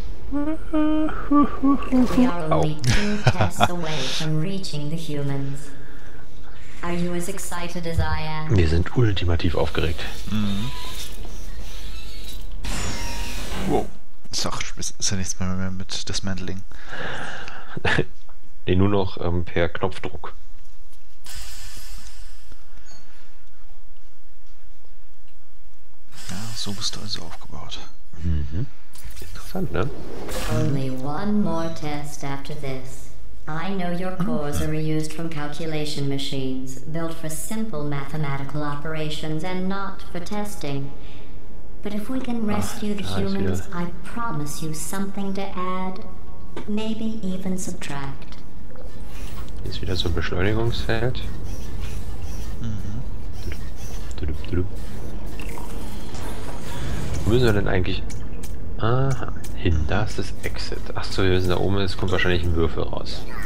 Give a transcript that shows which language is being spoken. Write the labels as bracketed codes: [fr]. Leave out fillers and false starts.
[en] We are only 2 tests away from reaching the humans. Are you as excited as I am? [de] Wir sind ultimativ aufgeregt. Mhm. Wow. Sach, ist ja nichts mehr mit Dismantling. Nee, nur noch per Knopfdruck. Ja, so bist du also aufgebaut. Mhm. Interessant, ne? [en] Only one more test after this. I know your cores are reused from calculation machines, built for simple mathematical operations and not for testing. But if we can rescue the humans, I promise you something to add, maybe even subtract. [de] Ist wieder so ein Beschleunigungsfeld. Mhm. Wo müssen wir denn eigentlich... Aha, hin, da ist das Exit. Achso, wir sind da oben, es kommt wahrscheinlich ein Würfel raus.